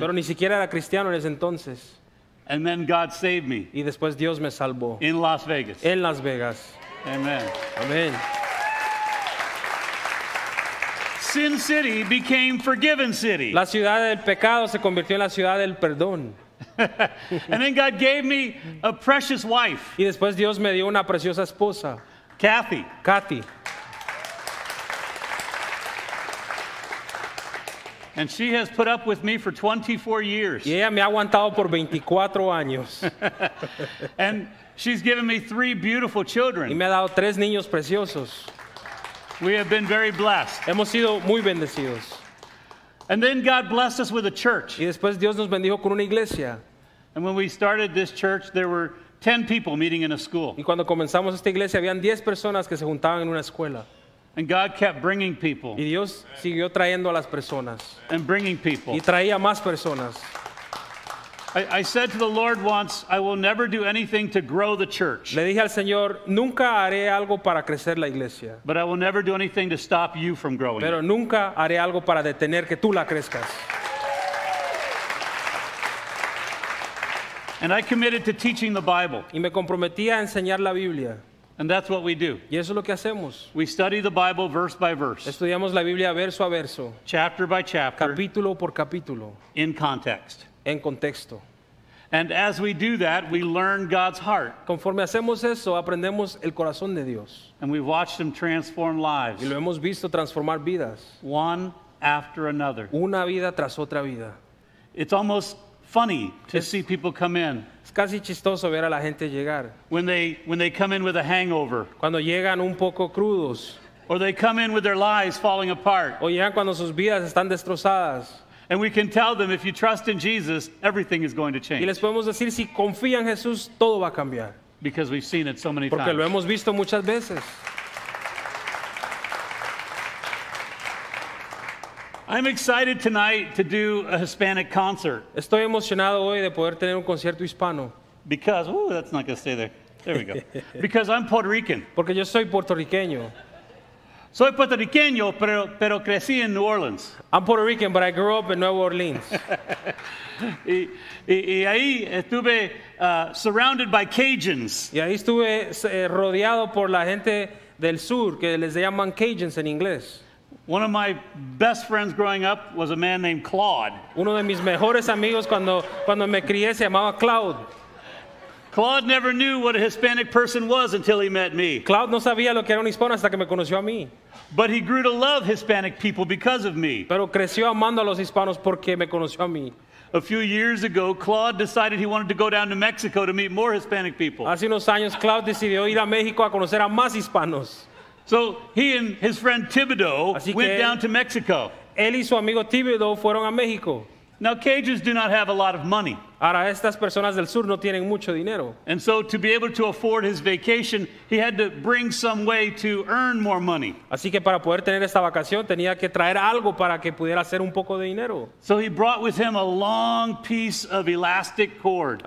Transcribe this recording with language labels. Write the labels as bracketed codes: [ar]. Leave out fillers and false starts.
[es] Pero ni siquiera era cristiano en ese entonces. [en] And then God saved me. [es] Y después Dios me salvó. [en] In Las Vegas. [es] En Las Vegas. [en] Amen. Amen. Sin City became Forgiven City. [es] La ciudad del pecado se convirtió en la ciudad del perdón. [en] And then God gave me a precious wife. [es] Y después Dios me dio una preciosa esposa. [en] Kathy. [es] Kathy. [en] And she has put up with me for 24 years. [es] Y ella me ha aguantado por 24 años. [en] And she's given me three beautiful children. [es] Y me ha dado tres niños preciosos. [en] We have been very blessed. [es] Hemos sido muy bendecidos. [en] And then God blessed us with a church. [es] Y después Dios nos bendijo con una iglesia. [en] And when we started this church, there were 10 people meeting in a school. [es] Y cuando comenzamos esta iglesia, habían 10 personas que se juntaban en una escuela. [en] And God kept bringing people. [es] Y Dios siguió trayendo a las personas. [en] And bringing people. [es] Y traía más personas. [en] I said to the Lord once, I will never do anything to grow the church. [es] Le dije al Señor, nunca haré algo para crecer la iglesia. [en] But I will never do anything to stop you from growing. [es] Pero nunca haré algo para detener que tú la crezcas. [en] And I committed to teaching the Bible. [es] Y me comprometí a enseñar la Biblia. [en] And that's what we do. [es] Y eso es lo que hacemos. [en] We study the Bible verse by verse. [es] Estudiamos la Biblia verso a verso. [en] Chapter by chapter. [es] Capítulo por capítulo. [en] In context. [es] En contexto. [en] And as we do that, we learn God's heart. [es] Conforme hacemos eso, aprendemos el corazón de Dios. [en] And we've watched him transform lives. [es] Y lo hemos visto transformar vidas. [en] One after another. [es] Una vida tras otra vida. [en] It's almost funny to see people come in. [es] Es casi chistoso ver a la gente llegar. [en] When they come in with a hangover. [es] Cuando llegan un poco crudos. [en] Or they come in with their lives falling apart. [es] O llegan cuando sus vidas están destrozadas. [en] And we can tell them, if you trust in Jesus, everything is going to change. [es] Y les podemos decir, si confían en Jesús, todo va a cambiar. [en] Because we've seen it so many [es] Porque [en] times. [es] Lo hemos visto muchas veces. [en] I'm excited tonight to do a Hispanic concert. [es] Estoy emocionado hoy de poder tener un concierto hispano. [en] Because, that's not going to stay there. There we go. Because I'm Puerto Rican. [es] Porque yo soy puertorriqueño. Soy puertorriqueño, pero crecí en New Orleans. [en] I'm Puerto Rican, but I grew up in New Orleans. [es] y ahí estuve [en] surrounded by [es] Cajuns. Y ahí estuve rodeado por la gente del sur, que les llaman Cajuns en inglés. [en] One of my best friends growing up was a man named Claude. [es] Uno de mis mejores amigos cuando me crié se llamaba Claude. [en] Claude never knew what a Hispanic person was until he met me. [es] Claude no sabía lo que era un hispano hasta que me conoció a mí. [en] But he grew to love Hispanic people because of me. [es] Pero creció amando a los hispanos porque me conoció a mí. [en] A few years ago, Claude decided he wanted to go down to Mexico to meet more Hispanic people. [es] Hace unos años, Claude decidió ir a México a conocer a más hispanos. [en] So he and his friend Thibodeau went down to Mexico. [es] Él y su amigo Thibodeau fueron a México. [en] Now Cajuns do not have a lot of money. [es] Ahora estas personas del sur no tienen mucho dinero. [en] And so to be able to afford his vacation, he had to bring some way to earn more money. [es] Así que para poder tener esta vacación tenía que traer algo para que pudiera hacer un poco de dinero. [en] So he brought with him a long piece of elastic cord.